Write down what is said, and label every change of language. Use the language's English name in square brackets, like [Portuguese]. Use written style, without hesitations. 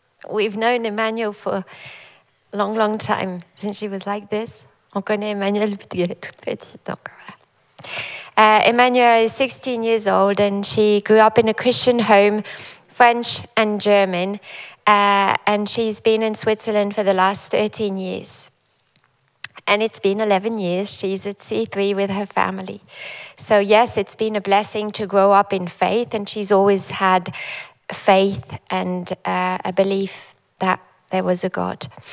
[English] We've known Emmanuel for a long, long time, since she was like this. [French] On connaît Emmanuel depuis qu'elle est toute petite, donc voilà. [English] Emmanuel is 16 years old and she grew up in a Christian home, French and German, and she's been in Switzerland for the last 13 years. And it's been 11 years, she's at C3 with her family. So yes, it's been a blessing to grow up in faith, and she's always had faith and a belief that there was a God.